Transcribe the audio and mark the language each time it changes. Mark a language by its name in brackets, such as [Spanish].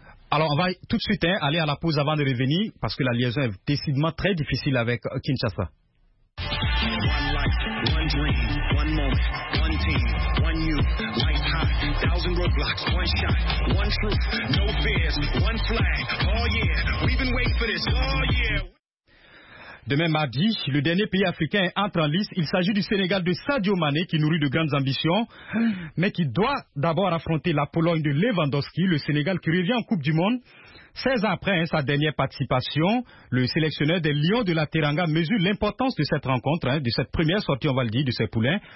[French] Alors, on va tout de suite aller à la pause avant de revenir parce que la liaison est décidément très difficile avec Kinshasa. [English] One dream, one moment, one team, one youth, life high, 1,000 roadblocks, one shot, one truth, no fears, one flag, oh yeah, we've been waiting for this, oh yeah. [French] Demain mardi, le dernier pays africain entre en lice. Il s'agit du Sénégal de Sadio Mané qui nourrit de grandes ambitions, mais qui doit d'abord affronter la Pologne de Lewandowski, le Sénégal qui revient en Coupe du Monde. 16 ans après sa dernière participation, le sélectionneur des Lions de la Teranga mesure l'importance de cette rencontre, de cette première sortie, on va le dire, de ses poulains.